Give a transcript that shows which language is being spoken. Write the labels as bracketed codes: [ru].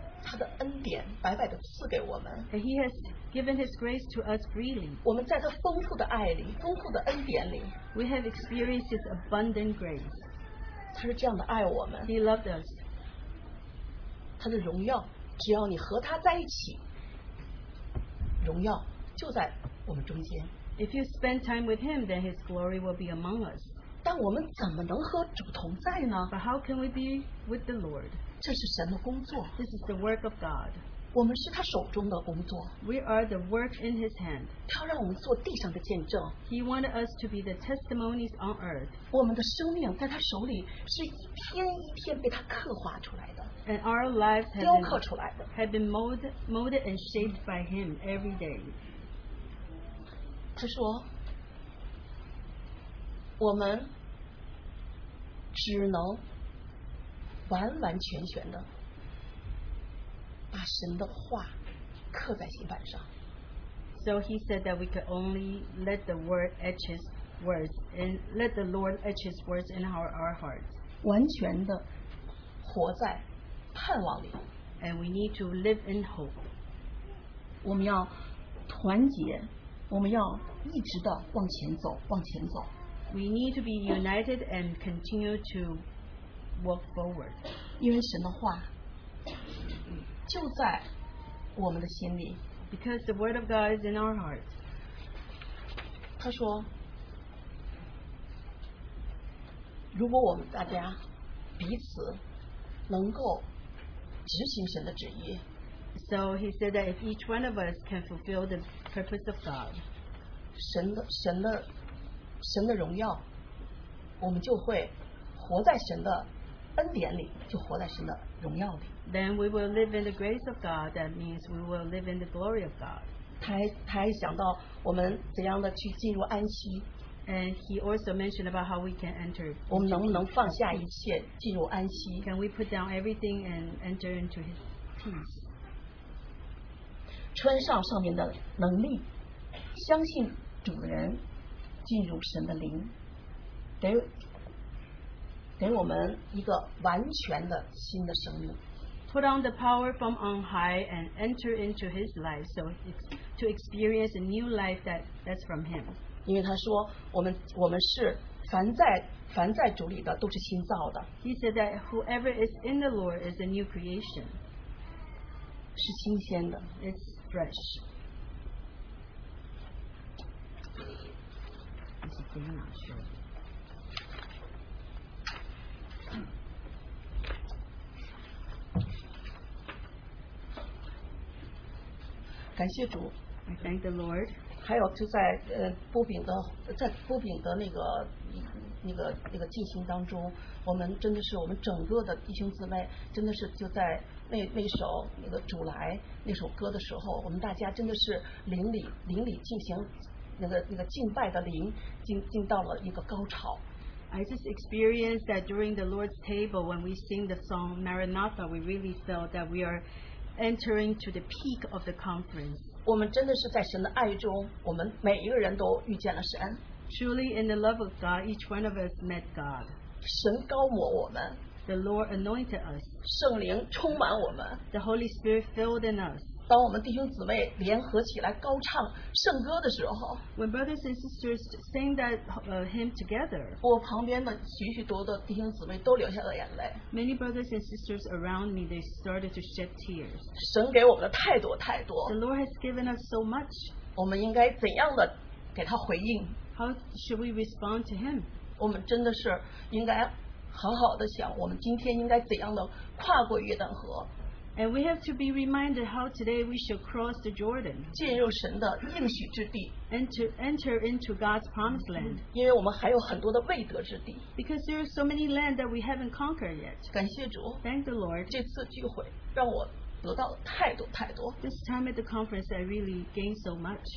[zh] 他的恩典白白地赐给我们, [en] and he has given his grace to us freely. [zh] 我们在他丰富的爱里, 丰富的恩典里, [en] we have experienced his abundant grace. [zh] 他是这样的爱我们, [en] he loved us. [zh] 他的荣耀, 只要你和他在一起, 荣耀就在我们中间。 [en] If you spend time with him, then his glory will be among us. [zh] 但我们怎么能和主同在呢？ [en] But how can we be with the Lord? [zh] 这是神的工作。 [en] This is the work of God. [zh] 我们是他手中的工作。 [en] We are the work in his hand. [zh] 他让我们做地上的见证。 [en] He wanted us to be the testimonies on earth. [zh] 我们的生命在他手里是一天一天被他刻画出来的。 [en] And our lives have [zh] 雕刻出来的。 [en] Have been molded and shaped by him every day. [zh] 他说我们只能完完全全的把神的话刻在心板上。 [en] So he said that we could only let the word etch his words and let the Lord etch his words in our hearts. [zh] 完全的活在盼望里。 [en] And we need to live in hope. [zh] 我们要团结，我们要一直的往前走，往前走。 [en] We need to be united and continue to walk forward. [zh] 因为神的话就在我们的心里。 [en] Because the word of God is in our hearts. [zh] 他说，如果我们大家彼此能够执行神的旨意。 [en] So he said that if each one of us can fulfill the purpose of God. [zh] 神的荣耀，我们就会活在神的恩典里，就活在神的荣耀里。 [en] Then we will live in the grace of God. That means we will live in the glory of God. [zh] 他还想到我们怎样的去进入安息。 [en] And he also mentioned about how we can enter. [zh] 我们能不能放下一切进入安息 [en] ？Can we put down everything and enter into his peace? [zh] 穿上上面的能力，相信主人。进入神的灵，给我们一个完全的新的生命。 [en] Put on the power from on high and enter into His life, so to experience a new life that's from Him. [zh] 因为他说，我们是凡在主里的都是新造的。 [en] He said that whoever is in the Lord is a new creation. [zh] 是新鲜的。 [en] It's fresh. [zh] 感谢主。 [en] I thank the Lord. [zh] 还有就在波饼的那个进行当中，我们真的是我们整个的弟兄姊妹，真的是就在那首那个主来那首歌的时候，我们大家真的是灵里进行。那个敬拜的灵进到了一个高潮。 [en] I just experienced that during the Lord's table when we sing the song Maranatha, we really felt that we are entering to the peak of the conference. [zh] 我们真的是在神的爱中，我们每一个人都遇见了神。 [en] Truly in the love of God, each one of us met God. [zh] 神膏抹我们。 [en] The Lord anointed us. [zh] 圣灵充满我们。 [en] The Holy Spirit filled in us. [zh] 当我们弟兄姊妹联合起来高唱圣歌的时候 [en] ，When brothers and sisters sing that hymn together， [zh] 我旁边的许许多多弟兄姊妹都流下了眼泪。 [en] Many brothers and sisters around me they started to shed tears。 [zh] 神给我们的太多太多。 [en] The Lord has given us so much。 [zh] 我们应该怎样的给他回应 [en] ？How should we respond to him？ [zh] 我们真的是应该好好的想，我们今天应该怎样的跨过约旦河。 [en] And we have to be reminded how today we shall cross the Jordan. [zh] 进入神的应许之地。 [en] And to enter into God's promised land. [zh] 因为我们还有很多的未得之地。 [en] Because there are so many land that we haven't conquered yet. [zh] 感谢主。 [en] Thank the Lord. [zh] 这次聚会让我得到太多太多。 [en] This time at the conference, I really gained so much.